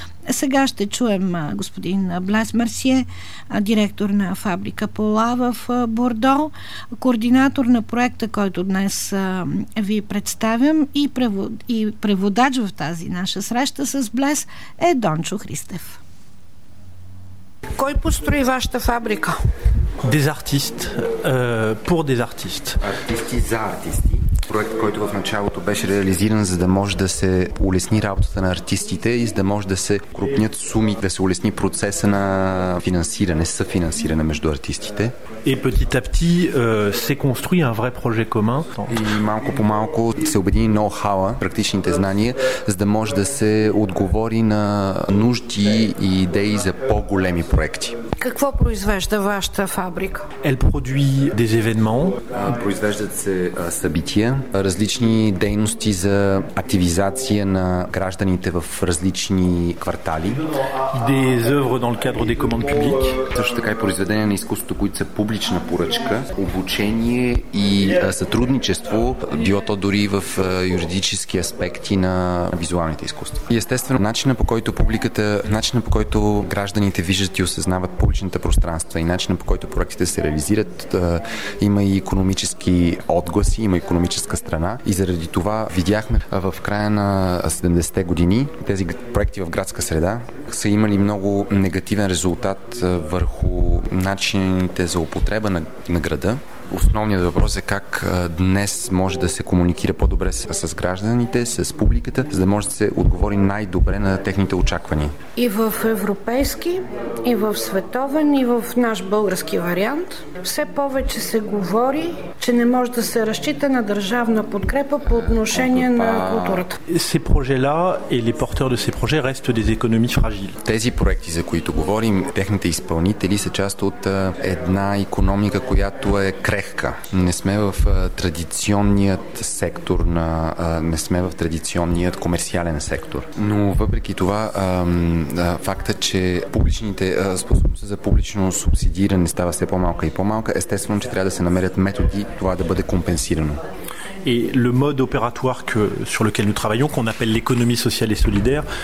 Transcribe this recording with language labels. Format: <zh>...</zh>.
<bg>Сега ще чуем господин Блез Марсие, директор на фабрика Пола в Бордо, координатор на проекта, който днес ви представям, и преводач в тази наша среща с Блез е Дончо Христев. Кой построи вашата фабрика?</bg> <fr>Des artistes, pour des artistes.</fr> <bg>Артисти за артисти. Проект, който в началото беше реализиран, за да може да се улесни работата на артистите и за да може да се крупнят суми, да се улесни процеса на финансиране, съфинансиране между артистите.</bg> <fr>Et petit à petit s'est construit un vrai projet commun.</fr> <bg>И малко по малко се обедини ноу-хауа, практичните знания, за да може да се отговори на нужди и идеи за по-големи проекти. Какво произвежда вашата фабрика?</bg> <fr>Elle produit des événements.</fr> <bg>Произвеждат се събития, различни дейности за активизация на гражданите в различни квартали.</bg> <fr>Des œuvres dans le cadre des commandes publiques.</fr> <bg>Също така и произведения на изкуството, които са публична поръчка, обучение и сътрудничество, било то дори в юридически аспекти на визуалните изкуства. И естествено, начинът по който гражданите виждат и осъзнават публичните пространства и начинът по който проектите се реализират, има и икономически отгласи, има икономическа страна. И заради това видяхме в края на 70-те години тези проекти в градска среда са имали много негативен резултат върху начините за употреба на града. Основният въпрос е как днес може да се комуникира по-добре с гражданите, с публиката, за да може да се отговори най-добре на техните очаквания. И в европейски, и в световен, и в наш български вариант, все повече се говори, че не може да се разчита на държавна подкрепа по отношение на културата.</bg> <fr>Ces projets-là et les porteurs de ces projets restent des économies fragiles.</fr> <bg>Тези проекти, за които говорим, техните изпълнители са част от една икономика, която е крехка. Не сме в традиционният сектор не сме в традиционният комерциален сектор. Но въпреки това факта, че публичните способности за публично субсидиране става все по-малка и по-малка, естествено, че трябва да се намерят методи това да бъде компенсирано.</bg> <fr>И le mode opératoire sur lequel nous travaillons, qu'on appelle l'économie sociale et solidaire.</fr>